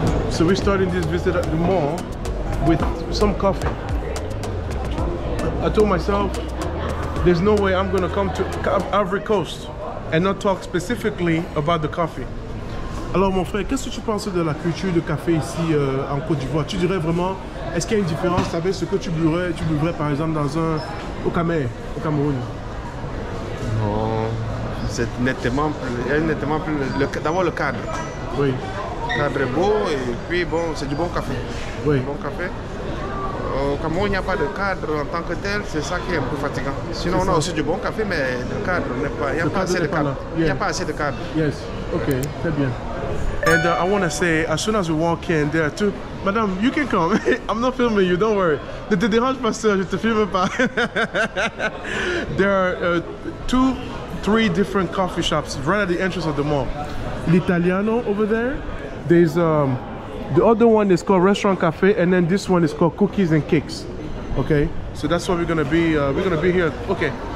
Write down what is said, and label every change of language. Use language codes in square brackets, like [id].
[en] So we're starting this visit at the mall with some coffee. I told myself, there's no way I'm gonna come to Ivory Coast and not talk specifically about the coffee. [fr] Alors mon frère, qu'est-ce que tu penses de la culture de café ici en Côte d'Ivoire? Tu dirais vraiment, est-ce qu'il y a une différence avec ce que tu buvrais par exemple au Cameroun? Non, c'est nettement plus... D'abord le cadre. Oui. Le cadre est beau et puis bon, c'est du bon café. Oui. Bon café. Au Cameroun, il n'y a pas de cadre en tant que tel, c'est ça qui est un peu fatigant. Sinon, c'est on a ça. Aussi du bon café, mais le cadre n'est pas... Il n'y a pas assez de cadre. Yeah. Il n'y a pas assez de cadre. Yes, ok, très bien. [en] And I want to say, as soon as we walk in, there are two... Madame, you can come. I'm not filming you, don't worry. [fr] Ne te dérange pas, sir, je te filme pas. [en] There are three different coffee shops right at the entrance of the mall. L'Italiano over there. There's the other one is called Restaurant Cafe, and then this one is called Cookies and Cakes. Okay? So that's what we're going to be here. Okay.